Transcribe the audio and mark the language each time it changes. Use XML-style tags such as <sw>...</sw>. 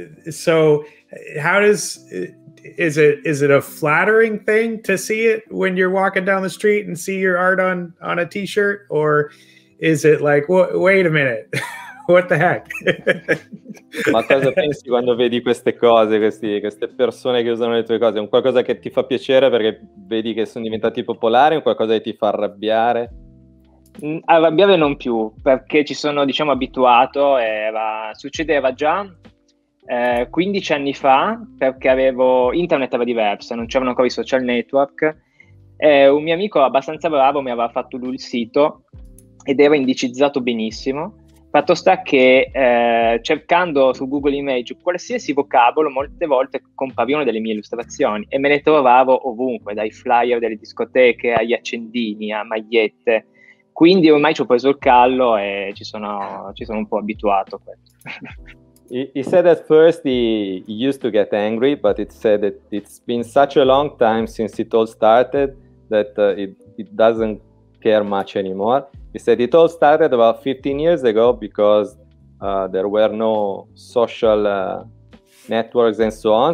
<en>So how is it a flattering thing to see it when you're walking down the street and see your art on a t-shirt, or is it like, wait a minute, what the heck?</en> <it>Ma cosa pensi quando vedi queste cose, queste persone che usano le tue cose? È un qualcosa che ti fa piacere perché vedi che sono diventati popolari, un qualcosa che ti fa arrabbiare? Arrabbiare non più, perché ci sono, diciamo, abituato. Succedeva già 15 anni fa, perché internet era diversa, non c'erano ancora i social network. Un mio amico abbastanza bravo mi aveva fatto lui il sito ed era indicizzato benissimo. Fatto sta che cercando su Google Image qualsiasi vocabolo, molte volte compavano delle mie illustrazioni e me le trovavo ovunque, dai flyer delle discoteche agli accendini, a magliette. Quindi ormai ci ho preso il callo e ci sono un po' abituato a questo.</it> <en>He said at first he used to get angry, but it said that it's been such a long time since it all started that it doesn't care much anymore. He said it all started about 15 years ago because there were no social networks and so on.</en>